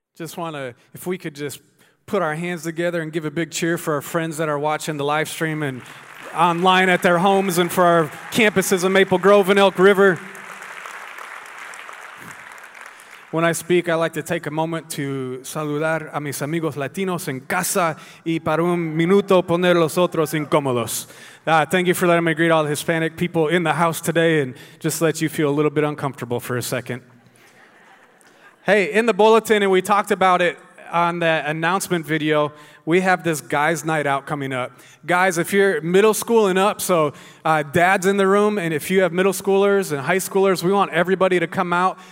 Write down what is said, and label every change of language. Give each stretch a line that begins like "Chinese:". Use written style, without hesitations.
English: Just want to, if we could just put our hands together and give a big cheer for our friends that are watching the live stream and online at their homes and for our campuses in Maple Grove and Elk River. When I speak, I like to take a moment to
Spanish: saludar a mis amigos latinos en casa y para un minuto poner los otros incómodos.
English: Thank you for letting me greet all the Hispanic people in the house today and just let you feel a little bit uncomfortable for a second. Hey, in the bulletin, and we talked about it on the announcement video, we have this guys' night out coming up. Guys, if you're middle school and up, so dad's in the room, and if you have middle schoolers and high schoolers, we want everybody to come out.